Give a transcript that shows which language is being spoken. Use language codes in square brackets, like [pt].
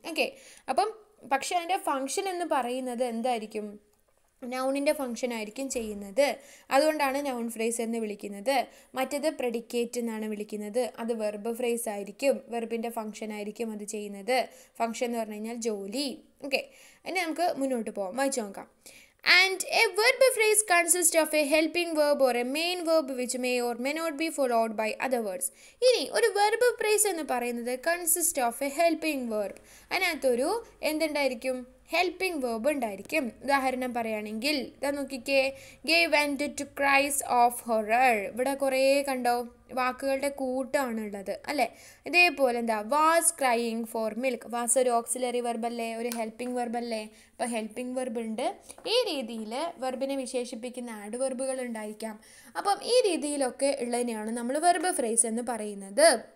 [ml] Okay, അപ്പം പക്ഷേ അതിൻ്റെ ഫങ്ഷൻ എന്ന് പറയുന്നത് എന്തായിരിക്കും, നൗണിൻ്റെ ഫങ്ഷൻ ആയിരിക്കും ചെയ്യുന്നത്. അതുകൊണ്ടാണ് നൗൺ ഫ്രേസ് എന്ന് വിളിക്കുന്നത്. മറ്റത് പ്രെഡിക്കേറ്റ് എന്നാണ് വിളിക്കുന്നത്, അത് വെർബ് ഫ്രേസ് ആയിരിക്കും, വെർബിൻ്റെ ഫങ്ഷൻ ആയിരിക്കും അത് ചെയ്യുന്നത്. ഫങ്ഷൻ എന്ന് പറഞ്ഞു കഴിഞ്ഞാൽ ജോലി. ഓക്കെ, ഇനി നമുക്ക് മുന്നോട്ട് പോകാം, വായിച്ചു നോക്കാം. [en] And a verb phrase consists of a helping verb or a main verb which may or may not be followed by other words. [ml] ഇനി ഒരു [en] verb phrase [ml] എന്ന് പറയുന്നത് [en] consists of a helping verb. [ml] അതിനകത്തൊരു എന്തുണ്ടായിരിക്കും? Helping verb ഉണ്ടായിരിക്കും. ഉദാഹരണം പറയുകയാണെങ്കിൽ ഇതാ നോക്കിക്കേ, [en] gave vent to cries of horror. [ml] ഇവിടെ കുറേ കണ്ടോ വാക്കുകളുടെ കൂട്ടാണ് ഉള്ളത് അല്ലേ. ഇതേപോലെ എന്താ, [en] Was crying for milk. [ml] Was ഒരു ഓക്സിലറി വെർബല്ലേ, ഒരു ഹെൽപ്പിംഗ് വെർബല്ലേ. അപ്പോൾ ഹെൽപ്പിംഗ് വെർബ് ഉണ്ട്. ഈ രീതിയിൽ വെർബിനെ വിശേഷിപ്പിക്കുന്ന ആഡ് വെർബുകൾ ഉണ്ടായിരിക്കാം. അപ്പം ഈ രീതിയിലൊക്കെ ഉള്ളതിനെയാണ് നമ്മൾ വെർബ് ഫ്രേസ് എന്ന് പറയുന്നത്.